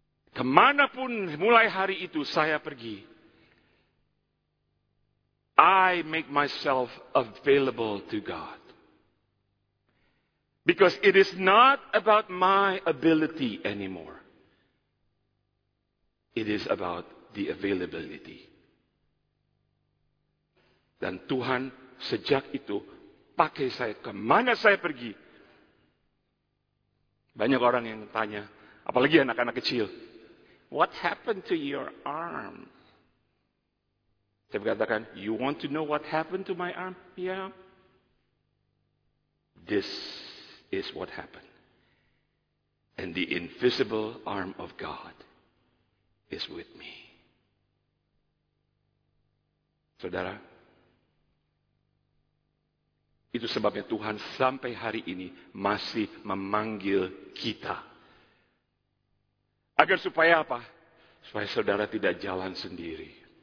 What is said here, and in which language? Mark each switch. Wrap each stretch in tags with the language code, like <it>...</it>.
<id>Kemanapun mulai hari itu saya pergi,</id> <en>I make myself available to God. Because it is not about my ability anymore. It is about the availability.</en> <id>Dan Tuhan sejak itu pakai saya kemana saya pergi. Banyak orang yang tanya, apalagi anak-anak kecil.</id> <en>What happened to your arm?</en> <id>Saya katakan,</id> <en>you want to know what happened to my arm? Yeah. This is what happened. And the invisible arm of God is with me.</en> <id>Saudara, itu sebabnya Tuhan sampai hari ini masih memanggil kita. Agar supaya apa? Supaya saudara tidak jalan sendiri.</id>